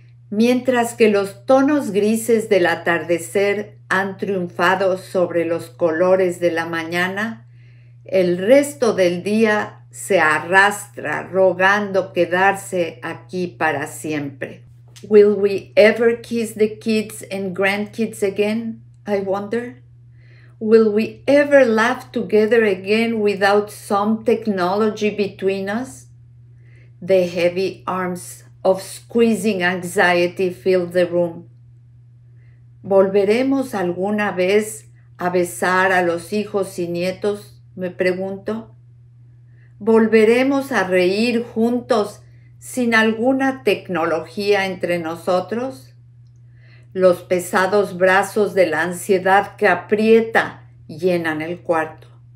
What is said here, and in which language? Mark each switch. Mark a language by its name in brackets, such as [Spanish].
[Spanish] Mientras que los tonos grises del atardecer han triunfado sobre los colores de la mañana, el resto del día se arrastra rogando quedarse aquí para siempre. [English] Will we ever kiss the kids and grandkids again, I wonder? Will we ever laugh together again without some technology between us? The heavy arms of squeezing anxiety fill the room. [Spanish] ¿Volveremos alguna vez a besar a los hijos y nietos? Me pregunto. ¿Volveremos a reír juntos sin alguna tecnología entre nosotros? Los pesados brazos de la ansiedad que aprieta llenan el cuarto.